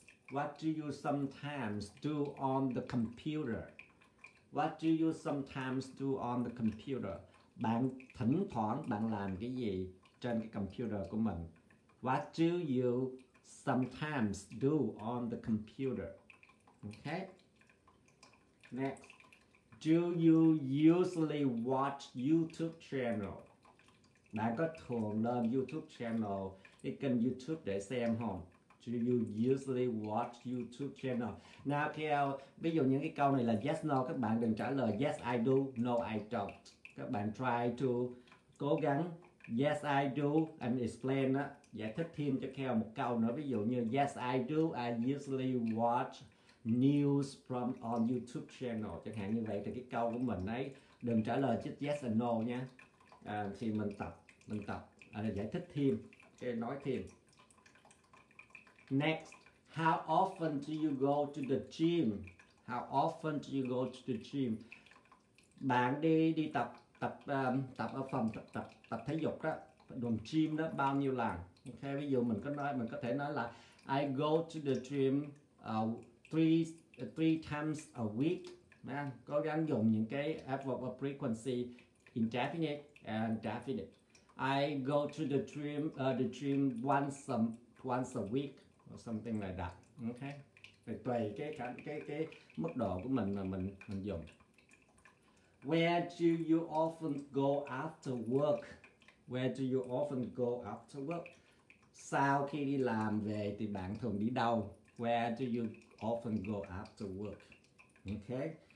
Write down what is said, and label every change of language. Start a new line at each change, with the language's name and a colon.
English: What do you sometimes do on the computer? What do you sometimes do on the computer?
Vietnamese: Bạn thỉnh thoảng bạn làm cái gì trên cái computer của mình?
English: What do you sometimes do on the computer? Okay. Next. Do you usually watch YouTube channel?
Vietnamese: Bạn có thường lên YouTube channel, cái kênh YouTube để xem không?
English: Do you usually watch YouTube channel? Now, KL,
Vietnamese: ví dụ những cái câu này là
English: yes, no,
Vietnamese: các bạn đừng trả lời
English: yes, I do, no, I don't.
Vietnamese: Các bạn
English: try to
Vietnamese: cố gắng
English: yes, I do, and explain,
Vietnamese: giải thích thêm cho KL một câu nữa. Ví dụ như
English: yes, I do, I usually watch news from on YouTube channel.
Vietnamese: Chẳng hạn như vậy, thì cái câu của mình ấy, đừng trả lời chứ
English: yes and no
Vietnamese: nha. Thì mình tập, giải thích thêm.
English: Okay, nói thêm. Next, how often do you go to the gym? How often do you go to the gym?
Vietnamese: Bạn đi tập ở phòng tập thể dục đó, đồng gym đó bao nhiêu lần?
English: Okay,
Vietnamese: ví dụ mình có thể nói là
English: I go to the gym three times a week.
Vietnamese: Cố gắng dùng những cái
English: adverb of frequency in definite and definite. I go to the gym once a week or something like that. Okay.
Vietnamese: Thì tùy cái mức độ của mình mà mình dùng.
English: Where do you often go after work? Where do you often go after work?
Vietnamese: Sau khi đi làm về thì bạn thường đi đâu?
English: Where do you often go after work? Okay.